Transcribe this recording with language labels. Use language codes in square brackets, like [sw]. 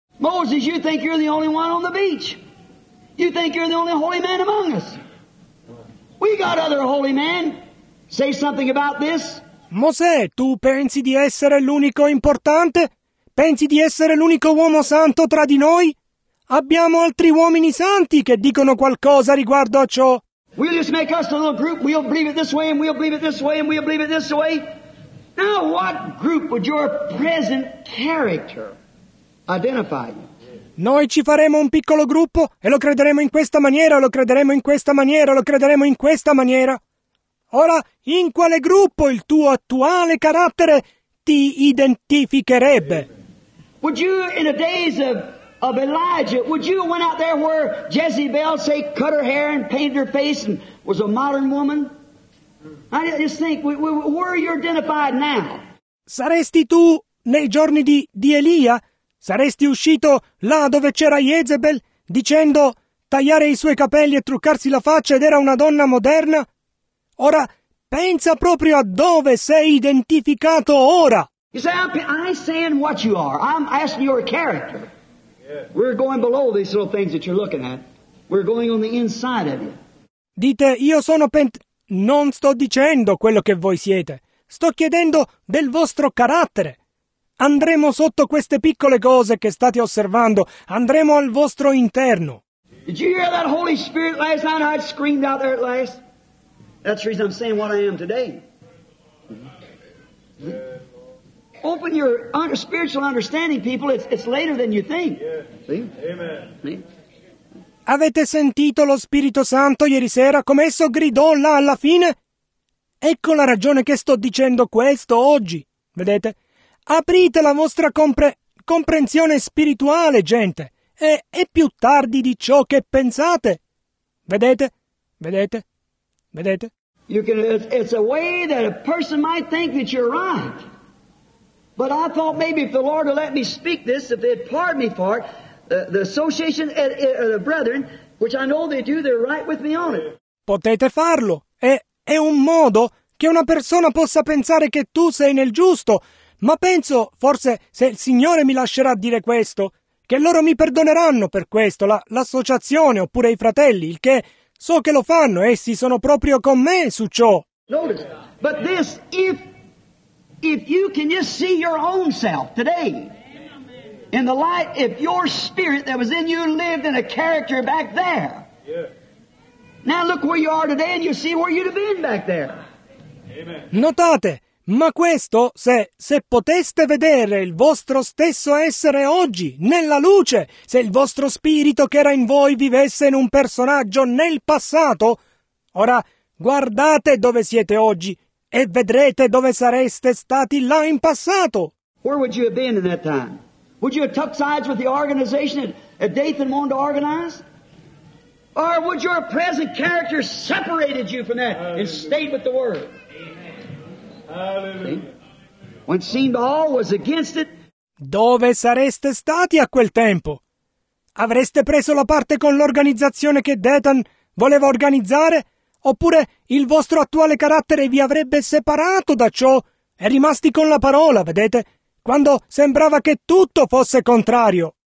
[en] Moses, you think you're the only one on the beach. You think you're the only holy man among us. We got other holy men. Say something about this. [it] Mosè, tu pensi di essere l'unico importante? Pensi di essere l'unico uomo santo tra di noi? Abbiamo altri uomini santi che dicono qualcosa riguardo a ciò. [en] We'll just make us a little group. We'll believe it this way, and we'll believe it this way, and we'll believe it this way. Now, what group would your present character identify? [it] Noi ci faremo un piccolo gruppo e lo crederemo in questa maniera, lo crederemo in questa maniera, lo crederemo in questa maniera. Ora, in quale gruppo il tuo attuale carattere ti identificherebbe? [en] Would you, in the days of Elijah, would you went out there where Jezebel, say, cut her hair and painted her face and was a modern woman? I just think, where you're identified now? [it] Saresti tu nei giorni di Elia? Saresti uscito là dove c'era Jezebel, dicendo tagliare i suoi capelli e truccarsi la faccia ed era una donna moderna? Ora, pensa proprio a dove sei identificato ora. [en] You say, I'm saying what you are. I'm asking your character. We're going below these little things that you're looking at. We're going on the inside of you. [it] Dite, io sono non sto dicendo quello che voi siete. Sto chiedendo del vostro carattere. Andremo sotto queste piccole cose che state osservando. Andremo al vostro interno. [en] Did you hear that Holy Spirit last night? I screamed out there at last. That's the reason I'm saying what I am today. Open your spiritual understanding, people. It's later than you think. Amen. [it] Avete sentito lo Spirito Santo ieri sera? Come esso gridò là alla fine? Ecco la ragione che sto dicendo questo oggi. Vedete? Aprite la vostra comprensione spirituale, gente, e è più tardi di ciò che pensate. Vedete? Vedete? Vedete? [en] It's a way that a person might think that you're right, But I thought maybe if the Lord would let me speak this, if they'd pardon me for it, the association of the brethren, which I know they do, they're right with me on it. [it] Potete farlo. È un modo che una persona possa pensare che tu sei nel giusto. Ma penso, forse, se il Signore mi lascerà dire questo, che loro mi perdoneranno per questo, l'associazione oppure i fratelli, il che so che lo fanno, essi sono proprio con me su ciò. [en] Notice, but this, if you can just see your own self today, in the light, if your spirit that was in you lived in a character back there, now look where you are today and you see where you'd have been back there. [it] Notate, ma questo, se poteste vedere il vostro stesso essere oggi, nella luce, se il vostro spirito che era in voi vivesse in un personaggio nel passato, ora guardate dove siete oggi e vedrete dove sareste stati là in passato. [en] Where would you have been in that time? Would you have took sides with the organization that Dathan wanted to organize? Or would your present character separated you from that and stayed with the Word? When seen by all was against it. [it] Dove sareste stati a quel tempo? Avreste preso la parte con l'organizzazione che Dathan voleva organizzare? Oppure il vostro attuale carattere vi avrebbe separato da ciò e rimasti con la parola, vedete? Quando sembrava che tutto fosse contrario.